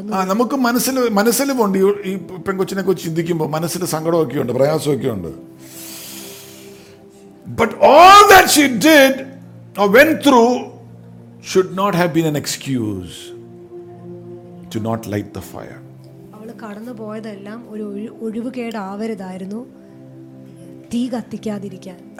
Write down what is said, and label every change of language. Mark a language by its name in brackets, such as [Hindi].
[Malayalam] നമുക്ക് മനസ്സിൽ മനസ്സിലും ഉണ്ട്, ഈ പെൺകൊച്ചിനെ കുറിച്ച് ചിന്തിക്കുമ്പോൾ മനസ്സിന് സങ്കടമൊക്കെ ഉണ്ട്, പ്രയാസമൊക്കെ ഉണ്ട്. [English] But all that she did or went through should not have been an excuse to not light the fire. [Malayalam] അവള് കടന്നു പോയതെല്ലാം ഒരു ഒഴിവുകേട് ആവരുതായിരുന്നു തീ കത്തിക്കാതിരിക്കാൻ.